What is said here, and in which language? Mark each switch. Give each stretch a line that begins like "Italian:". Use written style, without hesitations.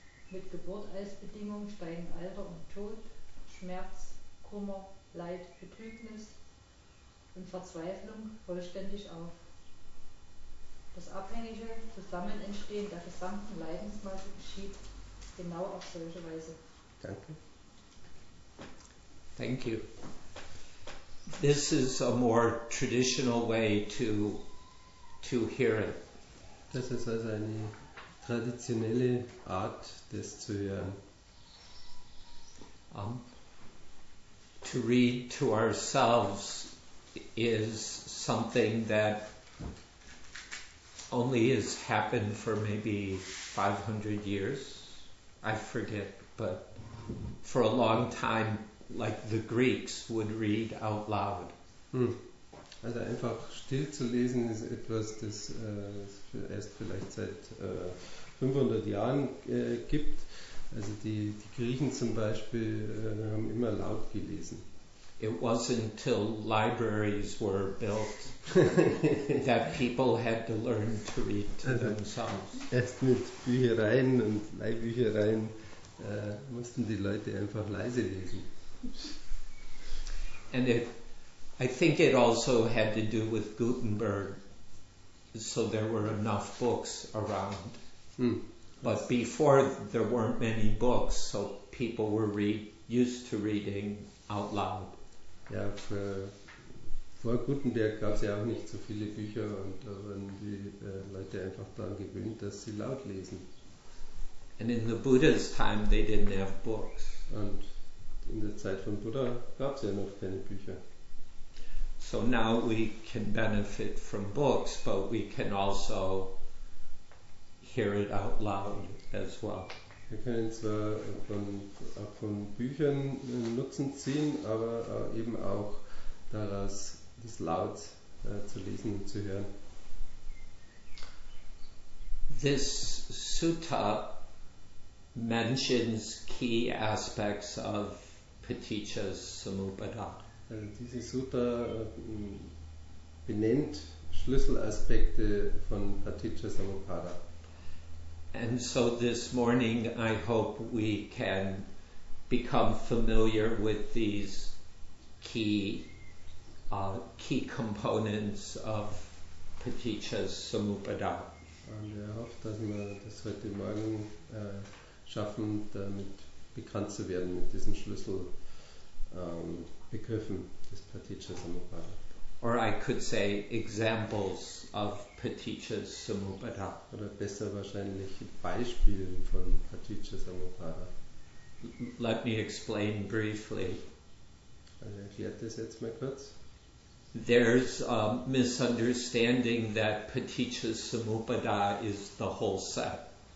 German: Mit Geburt als Bedingung steigen Alter und Tod, Schmerz, Kummer, Leid, Betrübnis und Verzweiflung vollständig auf. Das abhängige Zusammenentstehen der gesamten Leidensmasse geschieht genau auf solche Weise. Danke.
English: Thank you. This is a more traditional way to hear it.
German: Das ist also eine traditionelle Art, das zu hören.
English: To read to ourselves is something that only has happened for maybe 500 years. I forget, but for a long time, like the Greeks would read out loud.
German: Also einfach still zu lesen ist etwas, das erst vielleicht seit 500 Jahren gibt. Also die Griechen zum Beispiel haben immer laut gelesen.
English: It wasn't until libraries were built that people had to learn to read to themselves.
German: Erst mit Büchereien und Leihbüchereien mussten die Leute einfach leise lesen.
English: And I think it also had to do with Gutenberg, so there were enough books around. But before, there weren't many books, so people were used to reading out loud.
German: Ja, vor Gutenberg gab es ja auch nicht so viele Bücher, und da waren die Leute einfach daran gewöhnt, dass sie laut lesen.
English: And in the Buddha's time, they didn't have books.
German: Und in der Zeit von Buddha gab es ja noch keine Bücher.
English: So now we can benefit from books, but we can also hear it out loud as well.
German: Wir können zwar von Büchern Nutzen ziehen, aber eben auch daraus, das laut zu lesen und zu hören.
English: This sutta mentions key aspects of Paticca's Samuppada.
German: Also diese Sutta benennt Schlüsselaspekte von Paticca Samuppada.
English: And so this morning I hope we can become familiar with these key components of Paticca Samuppada.
German: Und ich hoffe, dass wir das heute Morgen schaffen, damit bekannt zu werden mit diesen Schlüsselbegriffen des Paticca Samuppada.
English: Or I could say examples of Paticca Samuppada.
German: Oder besser wahrscheinlich Beispiele von Paticca Samuppada.
English: Let me explain briefly.
German: Also erklärt das jetzt mal kurz.
English: There's a misunderstanding that Paticca Samuppada is the whole set.